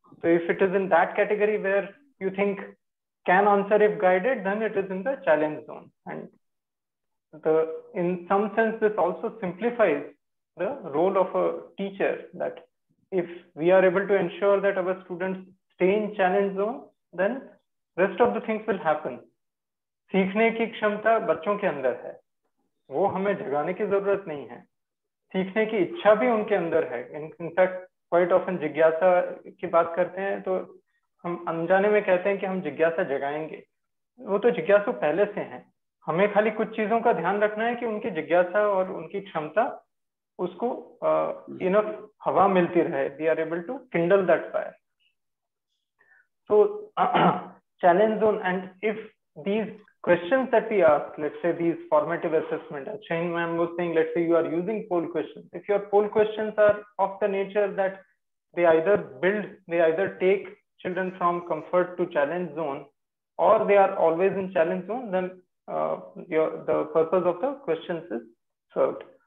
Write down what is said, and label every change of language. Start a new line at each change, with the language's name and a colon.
English: So if it is in that category where you think can answer if guided, then it is in the challenge zone. And in some sense, this also simplifies the role of a teacher, that if we are able to ensure that our students stay in challenge zone, then rest of the things will happen.
Hindi: सीखने की क्षमता बच्चों के अंदर है, वो हमें जगाने की जरूरत नहीं है. सीखने की इच्छा भी उनके अंदर है.
English: in fact quite often
Hindi: जिज्ञासा की बात करते हैं तो हम अनजाने में कहते हैं कि हम जिज्ञासा जगाएंगे. वो तो जिज्ञासु पहले से हैं, हमें खाली कुछ चीजों का ध्यान रखना है कि उनकी जिज्ञासा और उनकी क्षमता उसको इनफ हवा मिलती रहे.
English: We are able to kindle that fire. So challenge zone and if these questions that we ask, let's say these formative assessment, Chain ma'am was saying, let's say you are using poll questions. If your poll questions are of the nature that they either build, they either take children from comfort to challenge zone, or they are always in challenge zone, then the purpose of the questions is served.